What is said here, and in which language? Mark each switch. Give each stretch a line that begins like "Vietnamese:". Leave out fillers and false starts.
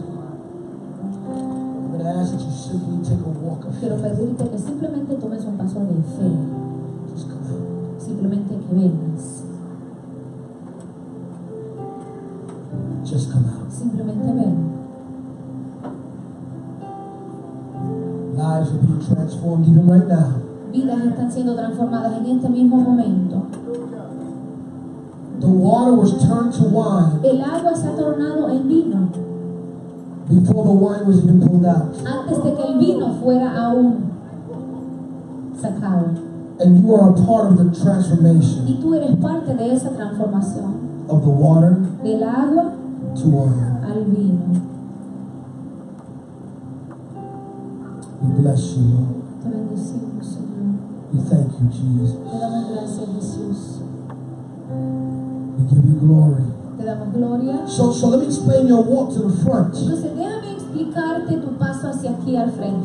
English: I ask that you simply take a walk of faith.
Spanish: Quiero pedirte que simplemente tomes un paso de fe.
English: Just come out.
Spanish: Simplemente que vengas.
English: Just come out.
Spanish: Simplemente ven.
English: Lives are being transformed even right now.
Spanish: Vidas están siendo transformadas en este mismo momento.
English: The water was turned to wine.
Spanish: El agua se ha tornado en vino.
English: Before the wine was even pulled out.
Spanish: Antes de que el vino fuera aún sacado.
English: And you are a part of the transformation.
Spanish: Y tú eres parte de esa transformación.
English: Of the water.
Spanish: Del agua.
English: To wine.
Spanish: Al vino.
English: We bless you, Lord.
Spanish: Te bendecimos, Señor.
English: We thank you, Jesus.
Spanish: Te damos gracias, Jesús.
English: We give you glory. So let me explain your walk to the front.
Spanish: Entonces déjame explicarte tu paso hacia aquí al frente.